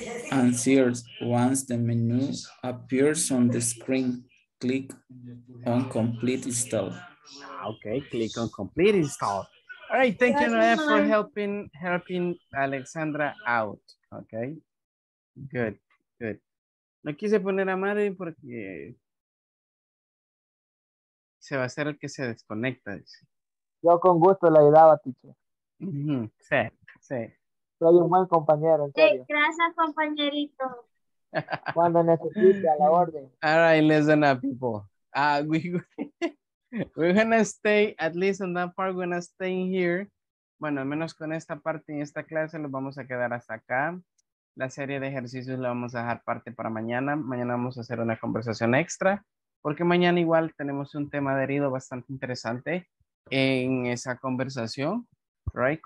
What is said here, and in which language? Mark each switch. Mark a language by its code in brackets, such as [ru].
[en] And third, once the menu appears on the screen, click on complete install. Okay, click on complete install. All right, thank you, Noe, for helping Alexandra out. Okay, good, good. [es] No quise poner a Marvin porque se va a hacer el que se desconecta. Yo con gusto le ayudaba, teacher. Sí, sí. Soy un buen compañero. Sí, gracias, compañerito. Cuando necesite, a la orden. [en] All right, listen up, people. We're going to stay, at least on that part, we're going to stay here. [es] Bueno, al menos con esta parte en esta clase, lo vamos a quedar hasta acá. La serie de ejercicios la vamos a dejar parte para mañana. Mañana vamos a hacer una conversación extra, porque mañana igual tenemos un tema adherido bastante interesante en esa conversación, right?